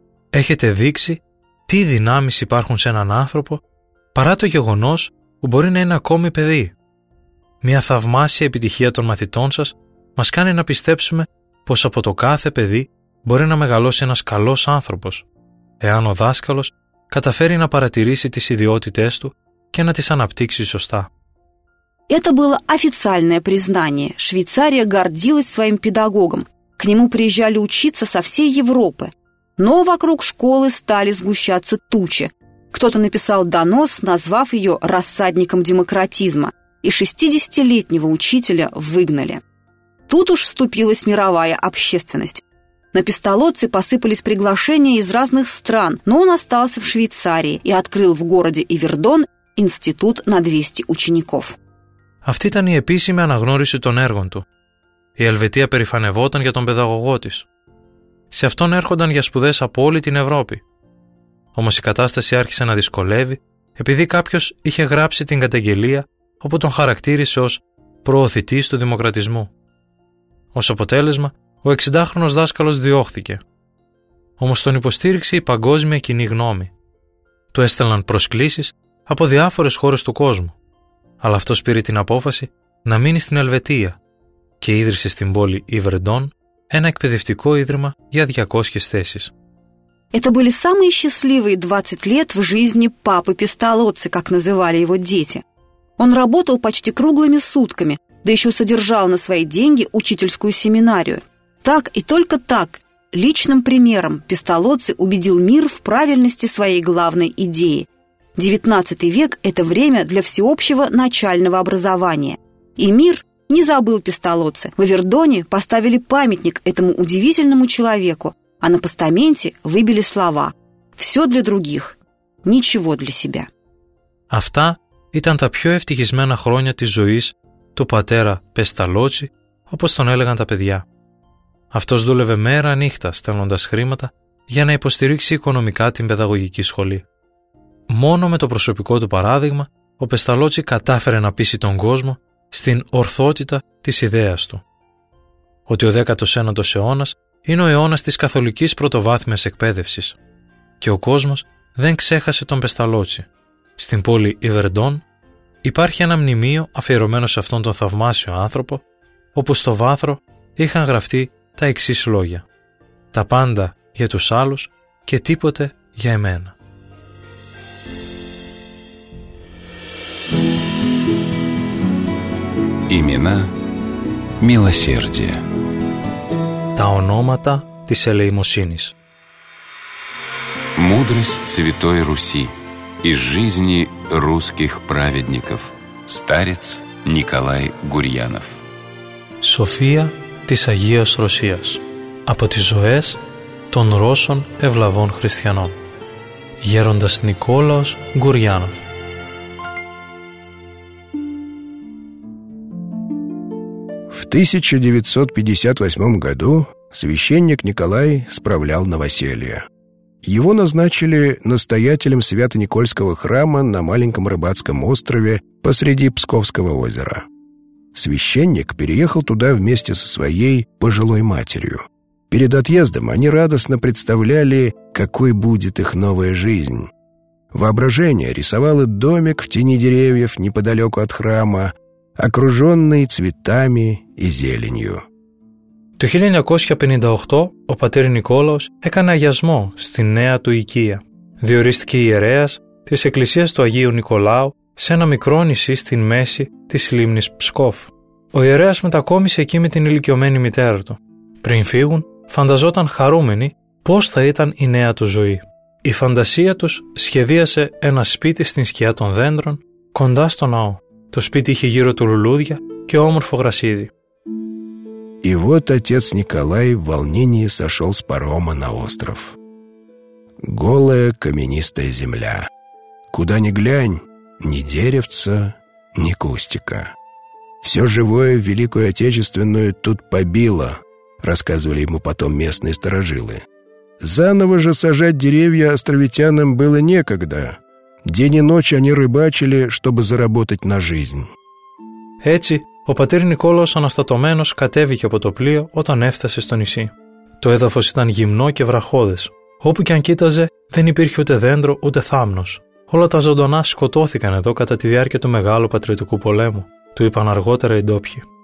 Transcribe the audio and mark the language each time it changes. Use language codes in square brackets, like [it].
[el] Έχετε δείξει τι δυνάμεις υπάρχουν σε έναν άνθρωπο παρά το γεγονός που μπορεί να είναι ακόμη παιδί. Μια θαυμάσια επιτυχία των μαθητών σας μας κάνει να πιστέψουμε πως από το κάθε παιδί μπορεί να μεγαλώσει ένας καλός άνθρωπος, εάν ο δάσκαλος καταφέρει να παρατηρήσει τις ιδιότητές του και να τις αναπτύξει σωστά. [ru] Это было официальное признание. Швейцария гордилась своим педагогом, К нему приезжали учиться со всей Европы. Но вокруг школы стали сгущаться тучи. Кто-то написал донос, назвав ее рассадником демократизма. И 60-летнего учителя выгнали. Тут уж вступилась мировая общественность. На Пестолоцци посыпались приглашения из разных стран, но он остался в Швейцарии и открыл в городе Ивердон институт на 200 учеников. [el] Αυτή ήταν η επίσημη αναγνώριση των έργων του. Η Ελβετία περηφανευόταν για τον παιδαγωγό της. Σε αυτόν έρχονταν για σπουδές από όλη την Ευρώπη. Όμως η κατάσταση άρχισε να δυσκολεύει επειδή κάποιος είχε γράψει την καταγγελία όπου τον χαρακτήρισε ως προωθητής του δημοκρατισμού. Ως αποτέλεσμα, ο 60χρονος δάσκαλος διώχθηκε. Όμως τον υποστήριξε η παγκόσμια κοινή γνώμη. Του έστελναν προσκλήσεις από διάφορες χώρες του κόσμου. Αλλά αυτός πήρε την απόφαση να μείνει στην Ελβετία και ίδρυσε στην πόλη Ιβερντόν ένα εκπαιδευτικό ίδρυμα για 200 θέσεις. [ru] Это были самые счастливые 20 лет в жизни папы Пестолоцци, как называли его дети. Он работал почти круглыми сутками, да еще содержал на свои деньги учительскую семинарию. Так и только так, личным примером, Пестолоцци убедил мир в правильности своей главной идеи. 19 век – это время для всеобщего начального образования. И мир не забыл Пестолоцци. В Ивердоне поставили памятник этому удивительному человеку, а на постаменте выбили слова «Все для других, ничего для себя». [el] Αυτά ήταν τα πιο ευτυχισμένα χρόνια της ζωής του πατέρα Πεσταλότσι, όπως τον έλεγαν τα παιδιά. Αυτός δούλευε μέρα-νύχτα στέλνοντας χρήματα για να υποστηρίξει οικονομικά την παιδαγωγική σχολή. Μόνο με το προσωπικό του παράδειγμα, ο Πεσταλότσι κατάφερε να πείσει τον κόσμο στην ορθότητα της ιδέας του. Ότι ο 19ος αιώνας είναι ο αιώνας της καθολικής πρωτοβάθμιας εκπαίδευσης. Και ο κόσμος δεν ξέχασε τον Πεσταλότσι. Στην πόλη Ιβερντόν υπάρχει ένα μνημείο αφιερωμένο σε αυτόν τον θαυμάσιο άνθρωπο, όπου στο βάθρο είχαν γραφτεί τα εξής λόγια: «Τα πάντα για τους άλλους και τίποτε για εμένα». [ru] Имена милосердия. [el] Τα ονόματα της ελεημοσύνης. [ru] Мудрость Святой Руси из жизни русских праведников. Старец Николай Гурьянов. [el] Σοφία της Αγίας Ρωσίας. Από τις ζωές των Ρώσων ευλαβών χριστιανών. Γέροντας Νικόλαος Γκουριάνοφ. [ru] В 1958 году священник Николай справлял новоселье. Его назначили настоятелем Свято-Никольского храма на маленьком рыбацком острове посреди Псковского озера. Священник переехал туда вместе со своей пожилой матерью. Перед отъездом они радостно представляли, какой будет их новая жизнь. Воображение рисовало домик в тени деревьев неподалеку от храма, окруженный цветами и зеленью. [el] Το 1958 ο πατήρ Νικόλαος έκανε αγιασμό στη νέα του οικία. Διορίστηκε ιερέας της εκκλησίας του Αγίου Νικολάου σε ένα μικρό νησί στην μέση της λίμνης Ψκόφ. Ο ιερέας μετακόμισε εκεί με την ηλικιωμένη μητέρα του. Πριν φύγουν, φανταζόταν χαρούμενοι πώς θα ήταν η νέα του ζωή. Η φαντασία τους σχεδίασε ένα σπίτι στην σκιά των δέντρων κοντά στο ναό. Το σπίτι είχε γύρω του λουλούδια και όμορφο γρασίδι. [ru] И вот отец Николай в волнении сошел с парома на остров. Голая каменистая земля. Куда ни глянь, ни деревца, ни кустика. Все живое Великую Отечественную тут побило, рассказывали ему потом местные старожилы. Заново же сажать деревья островитянам было некогда. День и ночь они рыбачили, чтобы заработать на жизнь. Эти... [el] Ο πατήρ Νικόλαος αναστατωμένος κατέβηκε από το πλοίο όταν έφτασε στο νησί. Το έδαφος ήταν γυμνό και βραχώδες. Όπου και αν κοίταζε, δεν υπήρχε ούτε δέντρο ούτε θάμνος. Όλα τα ζωντανά σκοτώθηκαν εδώ κατά τη διάρκεια του μεγάλου πατριωτικού πολέμου, του είπαν αργότερα οι ντόπιοι.